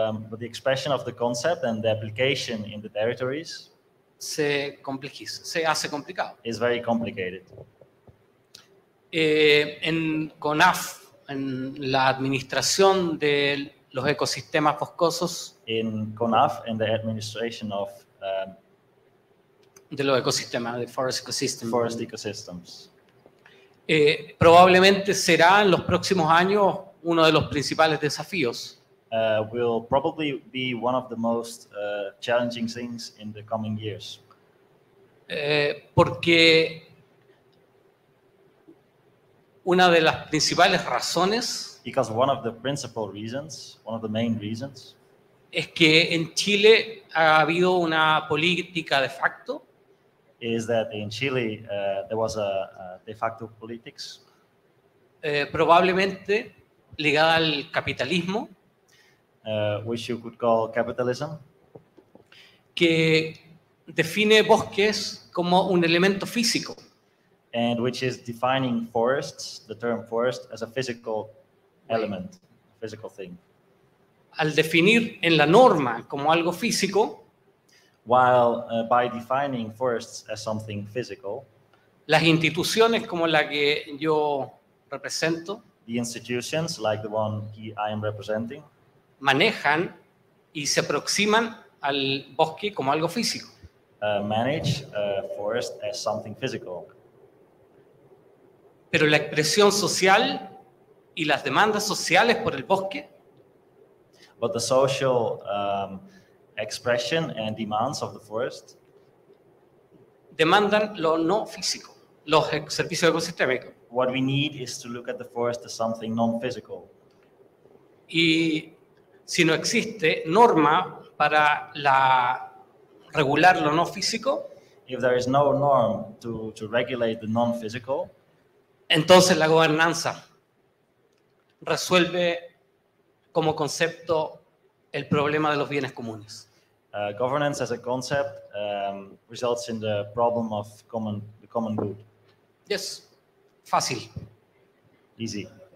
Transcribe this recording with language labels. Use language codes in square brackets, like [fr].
[en] but the expression of the concept and the application in the territories [es] se complejiza, se hace complicado. [en] Is very complicated. [es] En CONAF, en la administración de los ecosistemas boscosos, [en] in CONAF, in the administration of [es] de los ecosistemas, de forest ecosystems. [en] Forest ecosystems. [es] Probablemente será en los próximos años uno de los principales desafíos. [en] Will probably be one of the most challenging things in the coming years. [es] Porque una de las principales razones. [en] Because one of the principal reasons, one of the main reasons. [es] Es que en Chile ha habido una política de facto. [en] Is that in Chile there was a de facto politics [es] probablemente ligada al capitalismo [en] which you could call capitalism [es] que define bosques como un elemento físico [en] and which is defining forests, the term forest, as a physical element, physical thing. [es] Al definir en la norma como algo físico, [en] while by defining forests as something physical, [es] las instituciones como la que yo represento, [en] the institutions like the one I am representing, [es] manejan y se aproximan al bosque como algo físico. [en] Manage a forest as something physical. [es] Pero la expresión social y las demandas sociales por el bosque, [en] but the social expression and demands of the forest, [es] demandan lo no físico, los servicios ecosistémicos. [en] What we need is to look at the forest as something non-physical. [es] Y si no existe norma para la regular lo no físico, [en] if there is no norm to regulate the non-physical, [es] entonces la gobernanza resuelve como concepto el problema de los bienes comunes. [en] Governance as a concept results in the problem of the common good. [es] Yes, fácil. [en] Easy.